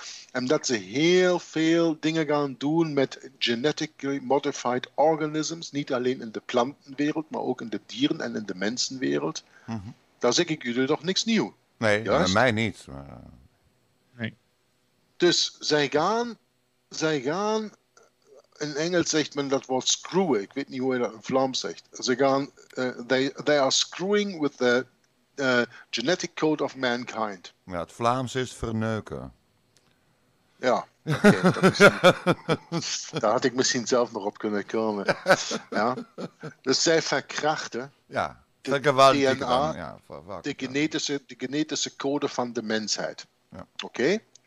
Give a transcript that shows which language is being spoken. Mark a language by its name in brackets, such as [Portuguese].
[Dutch] En dat ze heel veel dingen gaan doen met [English] genetically modified organisms, [Dutch] niet alleen in de plantenwereld, maar ook in de dieren en in de mensenwereld. Mm-hmm. Daar zeg ik jullie toch niks nieuw. Nee, juist? Mij niet, maar... Dus zij gaan, in Engels zegt men dat woord screwen, ik weet niet hoe je dat in Vlaams zegt. Ze gaan, [English] they are screwing with the genetic code of mankind. [Dutch] Ja, het Vlaams is verneuken. Ja, okay, daar had ik misschien zelf nog op kunnen komen. Ja. Dus zij verkrachten ja, de DNA, dan, ja, de genetische code van de mensheid. Ja. Oké? Okay?